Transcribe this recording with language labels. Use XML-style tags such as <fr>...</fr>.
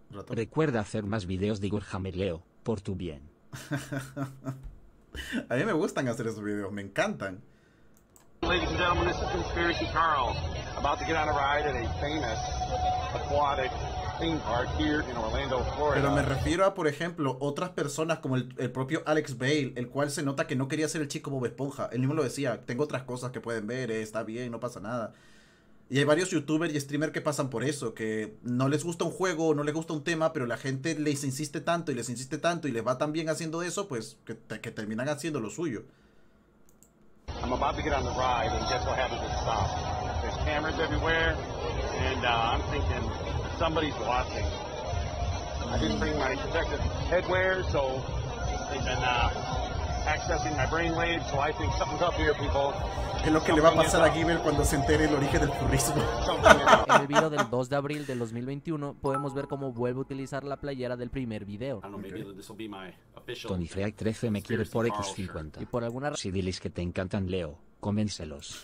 <es>Recuerda hacer más videos de Gurhammer Leo, por tu bien. A mí me gustan hacer esos videos, me encantan.</es> <en>Ladies and gentlemen, this is Conspiracy Carl, about to get on a ride at a famous aquatic theme park here in Orlando, Florida.</en> <es>Pero me refiero a, por ejemplo, otras personas como el propio Alex Bale, el cual se nota que no quería ser el chico Bob Esponja. Él mismo lo decía, tengo otras cosas que pueden ver, está bien, no pasa nada. Y hay varios youtubers y streamers que pasan por eso, que no les gusta un juego o no les gusta un tema, pero la gente les insiste tanto y les insiste tanto y les va tan bien haciendo eso, pues que terminan haciendo lo suyo.</es> <en>I'm about to get on the ride, and guess what happens at stop? There's cameras everywhere, and I'm thinking somebody's watching. I didn't bring my protective headwear, so they've been accessing my brainwaves, so I think something's up here, people.</en> <es>Es lo que le va a pasar a Gibel cuando se entere el origen del furrismo. En el video del 2 de abril del 2021 podemos ver cómo vuelve a utilizar la playera del primer video. Okay. Tony Freak 13 me quiere por X50. Y por alguna razón, si diles que te encantan, Leo, convéncelos.</es>